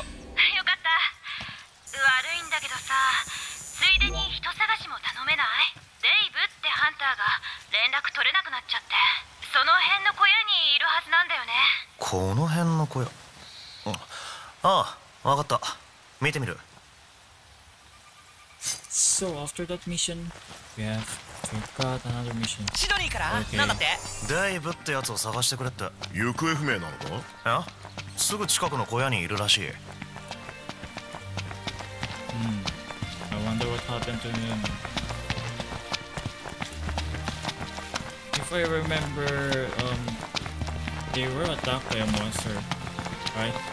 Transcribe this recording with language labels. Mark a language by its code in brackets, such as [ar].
[ja] よかった。悪いんだけどさ。ついでに人探しも頼めない？デイブってハンターが連絡取れなくなっちゃって、その辺の小屋にいるはずなんだよね。この辺の小屋、うん、ああ、わかった、見てみる。 [en] So after that mission, we have to got another mission. [ja] シドニーから、okay. 何だって？デイブってやつを探してくれって。行方不明なのか？え？すぐ近くの小屋にいるらしい。 [en] Happened to him. If I remember, they were attacked by a monster, right?